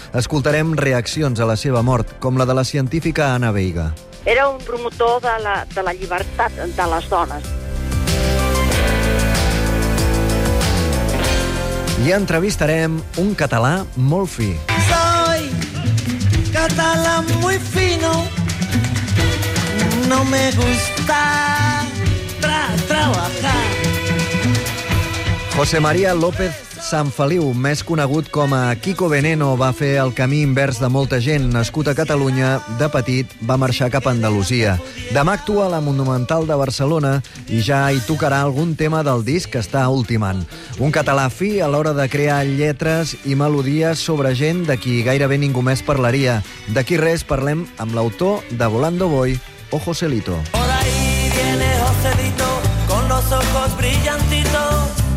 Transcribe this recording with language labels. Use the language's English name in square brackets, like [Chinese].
[Catalan] Escoltarem reaccions a la seva mort, com la de la científica Anna Veiga. Era un promotor de la llibertat de les dones. I entrevistarem un català molt fi. [Spanish] Catalá muy fino, no me gusta trabajar. [Catalan] José María López Sant Feliu, més conegut com a Kiko Veneno, va fer el camí invers de molta gent. Nascut a Catalunya, de petit va marxar cap a Andalusia. Demà actua a la Monumental de Barcelona i ja hi tocarà algun tema del disc que està ultimant. Un català fi a l'hora de crear lletres i melodies sobre gent de qui gairebé ningú més parlaria. D'aquí res parlem amb l'autor de Volando Voy, o Joselito. [Spanish] Por ahí viene Joselito con los ojos brillantitos.